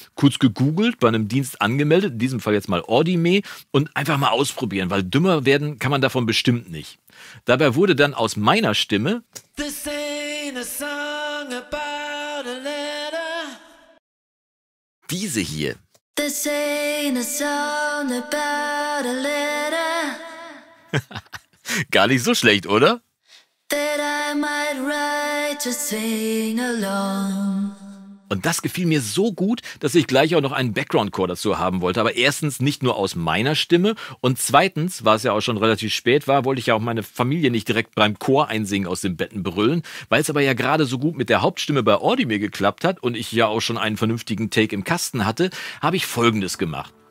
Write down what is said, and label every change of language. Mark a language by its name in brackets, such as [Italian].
[German] Kurz gegoogelt, bei einem Dienst angemeldet, in diesem Fall jetzt mal Audime, und einfach mal ausprobieren, weil dümmer werden kann man davon bestimmt nicht. Dabei wurde dann aus meiner Stimme [English] This ain't a song about a letter. [German] Diese hier. [English] This ain't a song about a letter. [German] Gar nicht so schlecht, oder? [English] That I might write to sing along. [German] Und das gefiel mir so gut, dass ich gleich auch noch einen Background-Chor dazu haben wollte. Aber erstens nicht nur aus meiner Stimme und zweitens, weil es ja auch schon relativ spät war, wollte ich ja auch meine Familie nicht direkt beim Chor einsingen aus den Betten brüllen. Weil es aber ja gerade so gut mit der Hauptstimme bei Audime geklappt hat und ich ja auch schon einen vernünftigen Take im Kasten hatte, habe ich Folgendes gemacht.